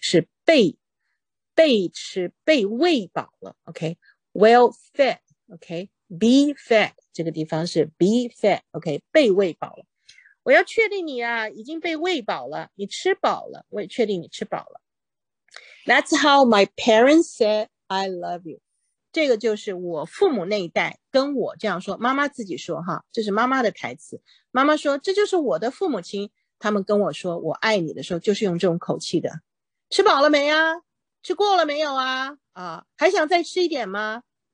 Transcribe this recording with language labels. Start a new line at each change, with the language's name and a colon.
Chinese: 是被吃、被喂饱了。
English: OK，well fed。 OK，be fed
Chinese: 这个地方是
English: be fed。
Chinese: OK， 被喂饱了。我要确定你啊，已经被喂饱了，你吃饱了，我也确定你吃饱了。
English: That's how my parents said I love you。
Chinese: 这个就是我父母那一代跟我这样说，妈妈自己说哈，这是妈妈的台词，妈妈说这就是我的父母亲，他们跟我说我爱你的时候就是用这种口气的，吃饱了没啊，吃过了没有啊，啊，还想再吃一点吗？